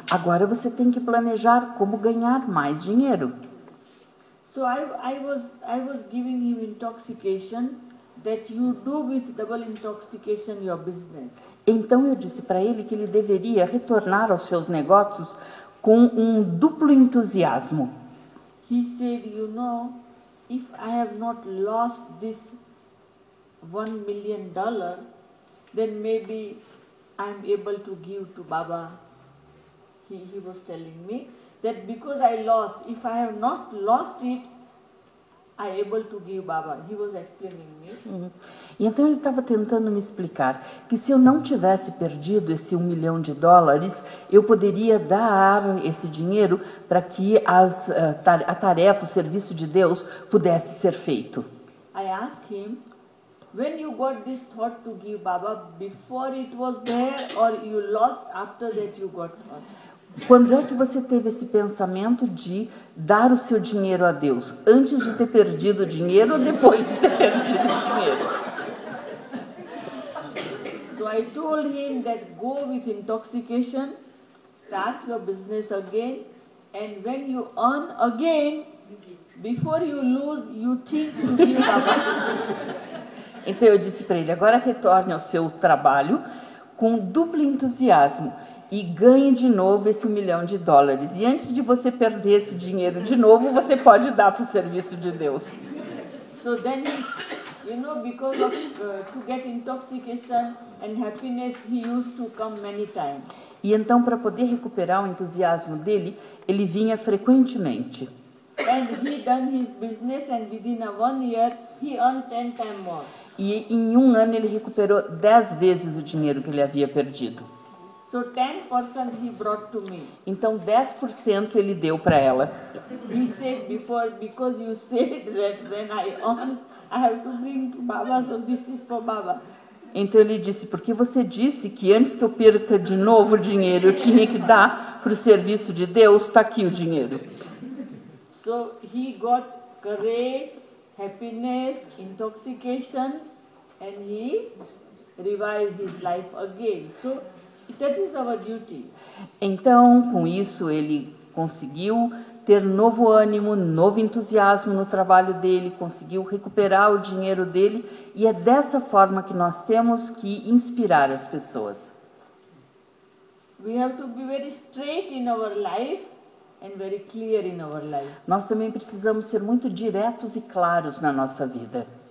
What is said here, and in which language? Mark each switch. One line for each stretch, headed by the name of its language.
Portuguese: Agora você tem que planejar como ganhar mais dinheiro.
English: So I was giving him intoxication that you do with double intoxication your business.
Portuguese: Então eu disse para ele que ele deveria retornar aos seus negócios com um duplo entusiasmo.
English: He said, you know, if I have not lost this $1 million, then maybe I'm able to give to Baba. He was telling me that because I lost, if I have not lost it, I'm able to give Baba. He was explaining me.
Portuguese: E então ele estava tentando me explicar que se eu não tivesse perdido esse $1 million, eu poderia dar esse dinheiro para que a tarefa, o serviço de Deus pudesse ser feito.
English: I asked him, when you got this thought to give Baba, before it was there or you lost after that you got thought?
Portuguese: Quando é que você teve esse pensamento de dar o seu dinheiro a Deus? Antes de ter perdido o dinheiro ou depois de ter perdido o dinheiro?
English: So I told him that go with intoxication, start your business again, and when you earn again, before you lose, you think you give up.
Portuguese: Então eu disse para ele, agora retorne ao seu trabalho com duplo entusiasmo e ganhe de novo esse $1 milhão. E antes de você perder esse dinheiro de novo, você pode dar para o serviço de Deus.
English: So then he, you know, because of to get intoxication and happiness, he used to come many times.
Portuguese: E então, para poder recuperar o entusiasmo dele, ele vinha frequentemente.
English: And he done his business, and within a 1 year, he earned 10 times more.
Portuguese: E em um ano ele recuperou 10 vezes o dinheiro que ele havia perdido.
English: So 10% he brought to me.
Portuguese: Então 10% ele deu para ela.
English: He said before, because you said that when I own, I have to bring to Baba, so this is for Baba.
Portuguese: Então ele disse, porque você disse que antes que eu perca de novo o dinheiro, eu tinha que dar para o serviço de Deus, está aqui o dinheiro.
English: So he got courage, happiness, intoxication, and he revived his life again. So that is our duty.
Portuguese: Então, com isso, ele conseguiu ter novo ânimo, novo entusiasmo no trabalho dele, conseguiu recuperar o dinheiro dele, e é dessa forma que nós temos que inspirar as pessoas.
English: We have to be very straight in our life. And very clear in our life.
Portuguese: Nós também precisamos ser muito diretos e claros na nossa vida.